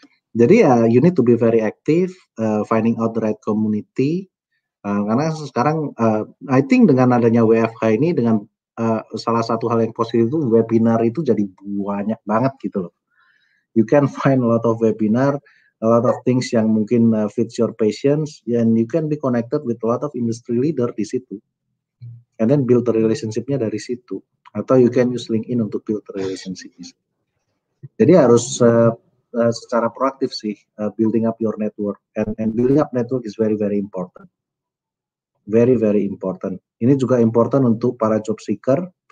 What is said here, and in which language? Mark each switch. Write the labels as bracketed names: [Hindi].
[English] Jadi ya, you need to be very active, finding out the right community. [Indonesian] Karena sekarang, I think dengan adanya WFH ini, dengan salah satu hal yang positif itu webinar itu jadi banyak banget gitu loh. [English] You can find a lot of webinar, a lot of things [Indonesian] yang mungkin [English] fits your patients, and you can be connected with a lot of industry leader di situ. And then build the relationship-nya [Indonesian] dari situ. [English] Atau you can use LinkedIn untuk build the relationship. [Indonesian] Jadi harus secara proaktif sih, [English] building up your network. And building up network is very, very important. Very, very important. [Indonesian] Ini juga important untuk para job seeker.